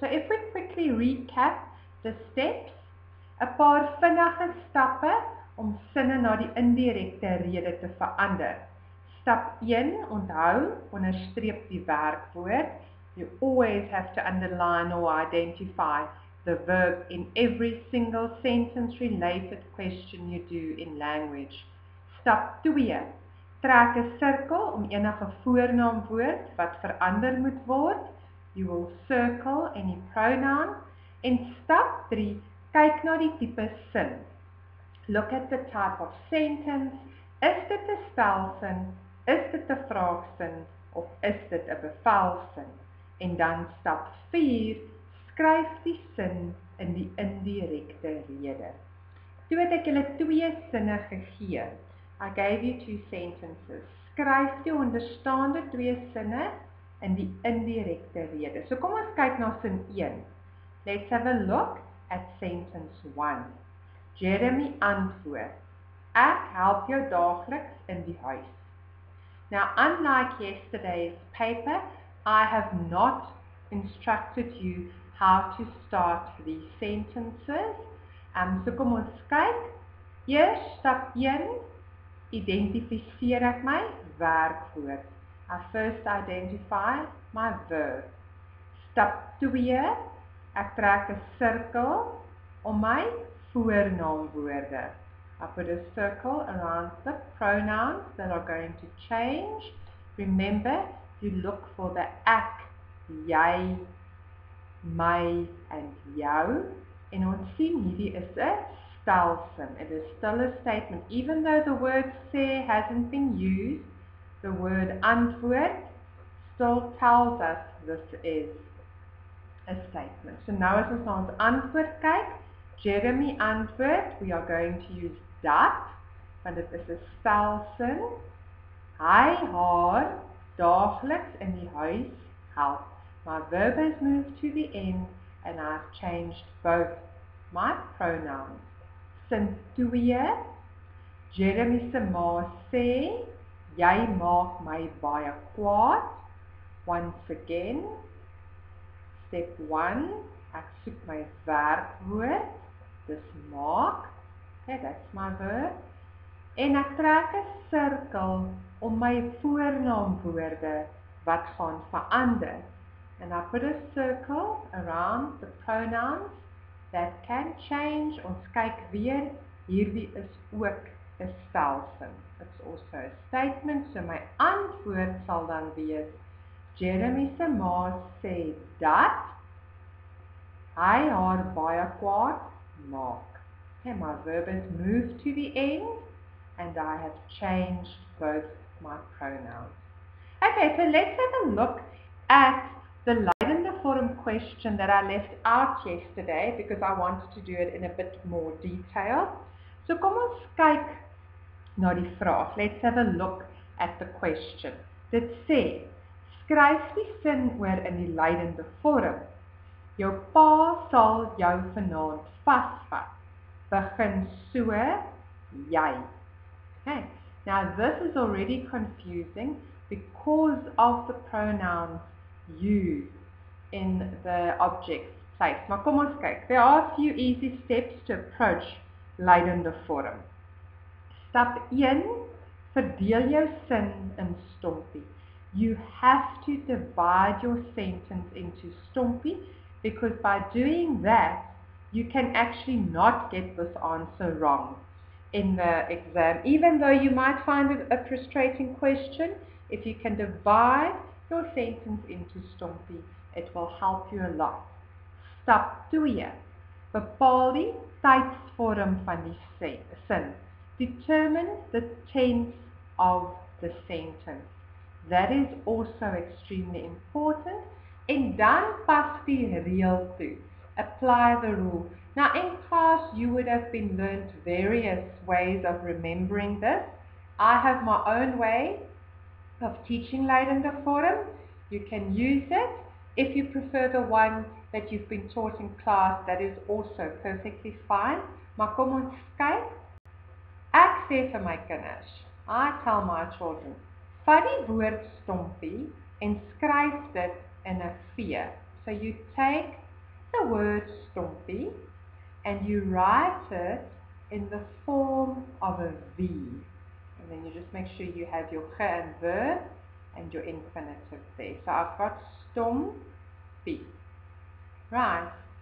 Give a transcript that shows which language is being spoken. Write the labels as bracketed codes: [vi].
[en] So if we quickly recap the steps, [af] 'n paar vinnige stappe om sinne na die indirekte rede te verander. Stap 1, onthou, onderstreep die werkwoord. [en] You always have to underline or identify the verb in every single sentence related question you do in language. [af] Stap 2, trek 'n sirkel om enige voornaamwoord wat verander moet word. [en] You will circle any pronoun. [af] En stap 3, kyk na die tipe sin. [en] Look at the type of sentence. [af] Is dit 'n stelsin? Is dit 'n vraagsin? Of is dit 'n bevelsin? En dan stap 4, skryf die sin in die indirekte rede. Toe het ek julle twee sinne gegee. [en] I gave you two sentences. [af] Skryf die onderstaande twee sinne in die indirekte rede. So kom ons kyk na sin 1. [en] Let's have a look at sentence 1. [af] Jeremy antwoord, ek help jou daagliks in die huis. [en] Now, unlike yesterday's paper, I have not instructed you how to start these sentences. [af] So kom ons kyk. Eers, stap 1, identifiseer ek my werkwoord. [en] I first identify my verb. [af] Stap 2, ek trek 'n sirkel om my voornaamwoorde. [en] I put a circle around the pronouns that are going to change. Remember, you look for the ek, jy, my and jou. [af] En ons sien hierdie is 'n stelsin. [en] It is still a statement. Even though the word sê hasn't been used, the word antwoord still tells us this is a statement. [af] So nou as ons na ons antwoord kyk, Jeremy antwoord, [en] we are going to use dat, [af] want dit is 'n stelsin. Hy haar daagliks in die huis help. [en] My verb has moved to the end and I've changed both my pronouns. [af] Sin 2, Jeremy se ma sê, jy maak my baie kwaad. [en] Once again, step 1, [af] ek soek my werkwoord. Dis maak, okay, [en] that's my verb, [af] en ek trek 'n sirkel om my voornaamwoorde wat gaan verander. [en] And I put a circle around the pronouns that can change. [af] Ons kyk weer, hierdie is ook 'n stelsin. [en] It's also a statement, so [af] my antwoord sal dan wees, Jeremy se ma sê dat hy haar baie kwaad maak. [en] Okay, my verb has moved to the end and I have changed both my pronouns. Okay, so let's have a look at the lydende vorm question that I left out yesterday because I wanted to do it in a bit more detail. [af] So kom ons kyk na die vraag. [en] Let's have a look at the question. [af] Dit sê, skryf die sin oor in die lydende vorm. Jou pa sal jou vanaand vasvat. Begin so, jy. Okay. [en] Now this is already confusing because of the pronouns you in the object place. [af] Maar kom ons kyk. [en] There are a few easy steps to approach lydende vorm. [af] Stap 1, verdeel jou sin in stompie. [en] You have to divide your sentence into stompie. Because by doing that, you can actually not get this answer wrong in the exam. Even though you might find it a frustrating question, if you can divide your sentence into stompie, it will help you a lot. [af] Stap 2. Bepaal die tydsvorm van die sin. [en] Determine the tense of the sentence. That is also extremely important. [af] En dan pas die reël toe. [en] Apply the rule. Now in class you would have been learned various ways of remembering this. I have my own way of teaching Lydende Vorm. You can use it. If you prefer the one that you've been taught in class, that is also perfectly fine. [af] Maar kom ons kyk. Ek sê vir my kinders, [en] I tell my children, [af] vat die woord stompie en skryf dit in 'n vee. [en] So you take the word stompie and you write it in the form of a V. And then you just make sure you have your ge and ver and your infinitive there. So I've got stompie. Right.